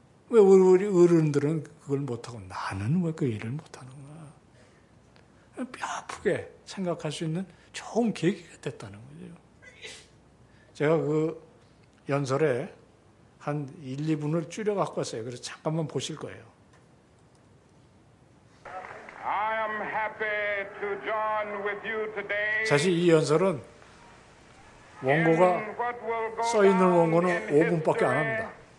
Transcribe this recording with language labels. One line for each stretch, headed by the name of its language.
Korean: 왜 우리 어른들은 그걸 못하고 나는 왜 그 일을 못하는가. 뼈아프게 생각할 수 있는 좋은 계기가 됐다는 거죠. 제가 그 연설에 한 1, 2분을 줄여 갖고 왔어요. 그래서 잠깐만 보실 거예요.
English: I am happy to join with you today.
Korean: 사실 이 연설은 원고가 써 있는 원고는 5분밖에 안 합니다.